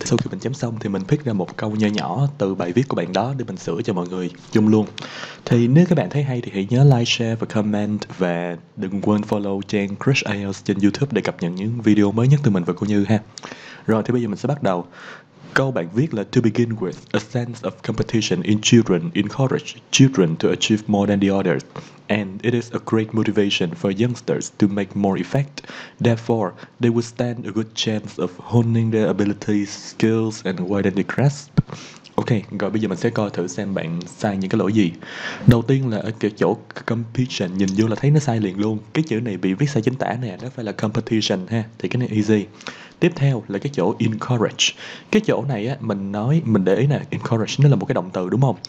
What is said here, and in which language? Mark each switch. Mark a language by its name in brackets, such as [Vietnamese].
[Vietnamese] Sau khi mình chấm xong thì mình pick ra một câu nhỏ nhỏ từ bài viết của bạn đó để mình sửa cho mọi người chung luôn. Thì nếu các bạn thấy hay thì hãy nhớ like, share và comment. Và đừng quên follow trang Crush IELTS trên YouTube để cập nhật những video mới nhất từ mình và cô Như ha. Rồi thì bây giờ mình sẽ bắt đầu. Câu bạn viết là [English] to begin with, a sense of competition in children encourage children to achieve more than the others, and it is a great motivation for youngsters to make more effect. Therefore, they would stand a good chance of honing their abilities, skills and widen their grasp. [Vietnamese] Ok, rồi bây giờ mình sẽ coi thử xem bạn sai những cái lỗi gì. Đầu tiên là ở cái chỗ competition, nhìn vô là thấy nó sai liền luôn. Cái chữ này bị viết sai chính tả nè, nó phải là competition ha, thì cái này easy. Tiếp theo là cái chỗ encourage. Cái chỗ này á, mình nói, mình để ý nè, encourage nó là một cái động từ đúng không?